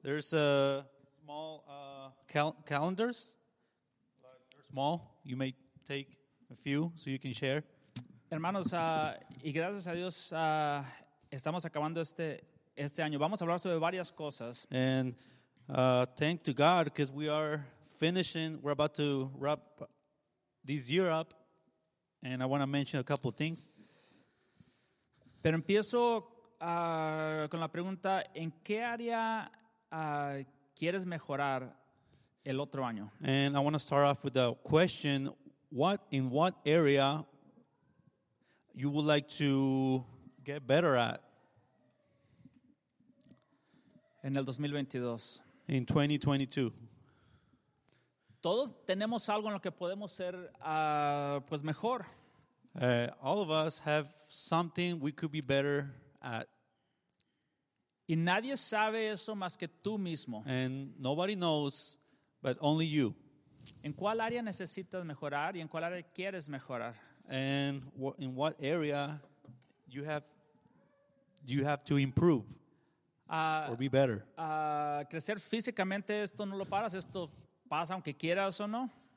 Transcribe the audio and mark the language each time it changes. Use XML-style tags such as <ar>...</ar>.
<en>There's small calendars. They're small. You may take a few so you can share.</en> <es>Hermanos, y gracias a Dios, estamos acabando este año. Vamos a hablar sobre varias cosas.</es> <en>And thank to God, because we are finishing, we're about to wrap this year up. And I want to mention a couple of things.</en> <es>Pero empiezo con la pregunta, ¿en qué área quieres mejorar el otro año?</es> <en>And I want to start off with the question, what area you would like to get better at?</en> <es>En el 2022.</es> <en>In 2022.</en> <es>Todos tenemos algo en lo que podemos ser pues mejor.</es> <en>All of us have something we could be better at.</en> <es>Y nadie sabe eso más que tú mismo.</es> <en>And nobody knows, but only you.</en> <es>¿En cuál área necesitas mejorar y en cuál área quieres mejorar?</es> <en>And in what area do you have to improve or be better?</en> <es>Crecer físicamente, esto no lo paras, esto pasa aunque quieras o no.</es>